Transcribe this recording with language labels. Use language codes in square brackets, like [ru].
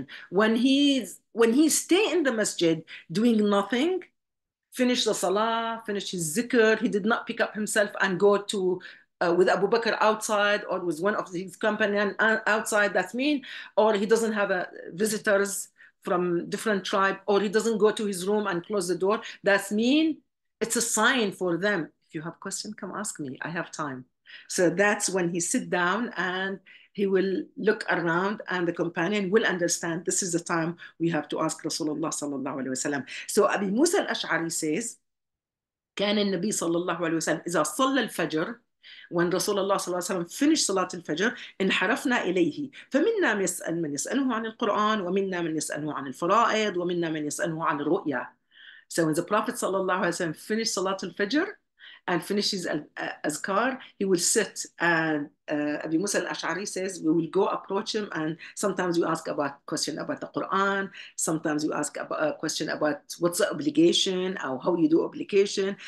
[en] When he stay in the masjid doing nothing, finish the salah, finish his zikr, he did not pick up himself and go to with Abu Bakr outside or with one of his companion outside, that's mean, or he doesn't have visitors from different tribe, or he doesn't go to his room and close the door, that's mean, it's a sign for them. If you have question, come ask me, I have time. So that's when he sit down and he will look around and the companion will understand this is the time we have to ask Rasulullah sallallahu alayhi wa sallam. So Abi Musa al-Ash'ari says, [ar] كان النبي صلى الله عليه وسلم إذا صلى الفجر, [en] when Rasulullah [ar] صلى الله عليه وسلم finished صلاة الفجر, انحرفنا إليه. فمنا من يسأله عن القرآن ومنا من يسأله عن الفرائض ومنا من يسأله عن الرؤيا. [en] So when the Prophet صلى الله عليه وسلم finished صلاة الفجر, and finishes Azkar, he will sit and Abi Musa al-Ash'ari says, we will go approach him and sometimes you ask about question about the Quran, sometimes you ask about a question about what's the obligation or how you do obligation.